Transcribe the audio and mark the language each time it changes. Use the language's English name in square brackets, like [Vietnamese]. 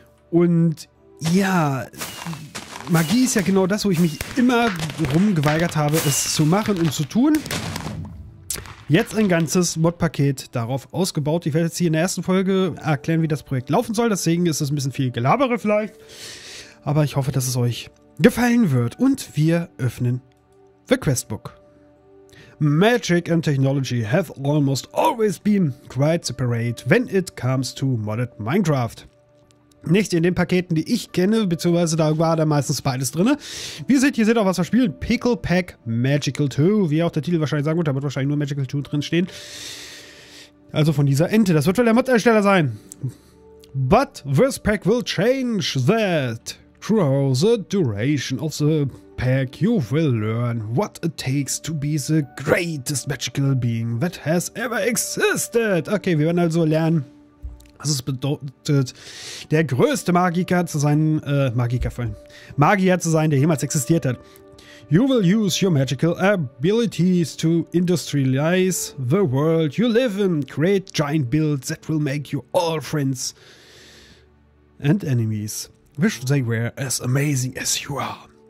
[German] Und ja, Magie ist ja genau das, wo ich mich immer rumgeweigert habe, es zu machen und zu tun. Jetzt ein ganzes Modpaket darauf ausgebaut. Ich werde jetzt hier in der ersten Folge erklären, wie das Projekt laufen soll. Deswegen ist es ein bisschen viel Gelabere vielleicht. Aber ich hoffe, dass es euch gefallen wird. Und wir öffnen The Questbook. [English] Magic and technology have almost always been quite separate when it comes to modded Minecraft. [German] Nicht in den Paketen, die ich kenne, beziehungsweise da war da meistens beides drin. Wie ihr seht, hier seht ihr auch, was wir spielen. Pickle Pack Magical 2, wie auch der Titel wahrscheinlich sagen würde, da wird wahrscheinlich nur Magical 2 drin stehen. Also von dieser Ente. Das wird wohl der Mod-Ersteller sein. [English] But this pack will change that. Throughout the duration of the pack, you will learn what it takes to be the greatest magical being that has ever existed. [German] Okay, wir werden also lernen, was es bedeutet, der größte Magiker zu sein, Magier zu sein, der jemals existiert hat. [English] You will use your magical abilities to industrialize the world you live in. Create giant builds that will make you all friends and enemies. Wish they were as amazing as you are.